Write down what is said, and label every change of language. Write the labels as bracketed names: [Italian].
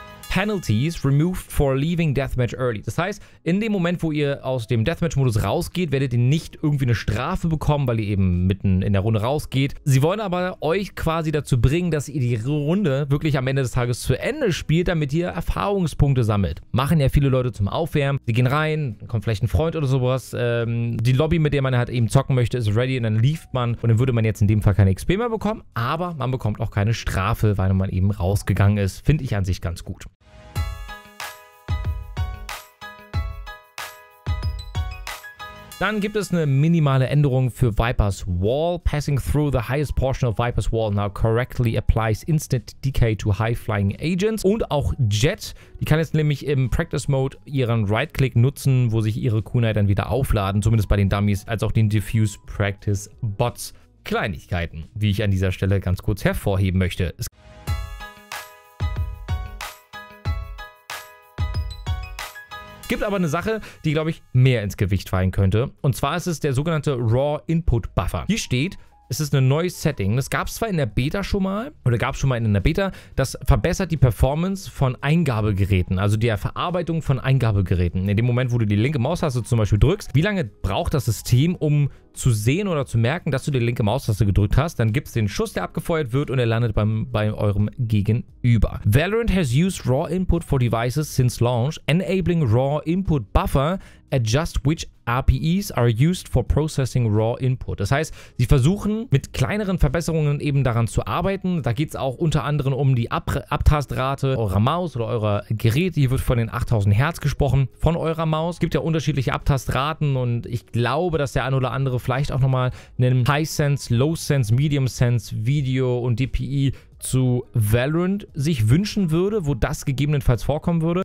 [English] Penalties removed for leaving Deathmatch early. [German] Das heißt, in dem Moment, wo ihr aus dem Deathmatch-Modus rausgeht, werdet ihr nicht irgendwie eine Strafe bekommen, weil ihr eben mitten in der Runde rausgeht. Sie wollen aber euch quasi dazu bringen, dass ihr die Runde wirklich am Ende des Tages zu Ende spielt, damit ihr Erfahrungspunkte sammelt. Machen ja viele Leute zum Aufwärmen. Sie gehen rein, kommt vielleicht ein Freund oder sowas. Die Lobby, mit der man halt eben zocken möchte, ist ready und dann lief man. Und dann würde man jetzt in dem Fall keine XP mehr bekommen, aber man bekommt auch keine Strafe, weil man eben rausgegangen ist. Finde ich an sich ganz gut. Dann gibt es eine minimale Änderung für Viper's Wall. [English] Passing through the highest portion of Viper's Wall now correctly applies instant decay to high-flying agents. [German] Und auch Jett, die kann jetzt nämlich im Practice-Mode ihren Right-Click nutzen, wo sich ihre Kunai dann wieder aufladen, zumindest bei den Dummies, als auch den Diffuse-Practice-Bots. Kleinigkeiten, wie ich an dieser Stelle ganz kurz hervorheben möchte. Gibt aber eine Sache, die, glaube ich, mehr ins Gewicht fallen könnte. Und zwar ist es der sogenannte Raw Input Buffer. Hier steht, es ist ein neues Setting. Das gab es zwar in der Beta schon mal, oder gab es schon mal in der Beta. Das verbessert die Performance von Eingabegeräten, also der Verarbeitung von Eingabegeräten. In dem Moment, wo du die linke Maustaste zum Beispiel drückst, wie lange braucht das System, um zu sehen oder zu merken, dass du die linke Maustaste gedrückt hast, dann gibt es den Schuss, der abgefeuert wird und er landet bei eurem Gegenüber. [English] Valorant has used Raw Input for Devices since launch, enabling Raw Input Buffer, adjust which RPEs are used for processing Raw Input. [German] Das heißt, sie versuchen mit kleineren Verbesserungen eben daran zu arbeiten. Da geht es auch unter anderem um die Abtastrate eurer Maus oder eurer Geräte. Hier wird von den 8000 Hertz gesprochen von eurer Maus. Es gibt ja unterschiedliche Abtastraten und ich glaube, dass der ein oder andere vielleicht auch nochmal einen High-Sense, Low-Sense, Medium-Sense, Video und DPI zu Valorant sich wünschen würde, wo das gegebenenfalls vorkommen würde.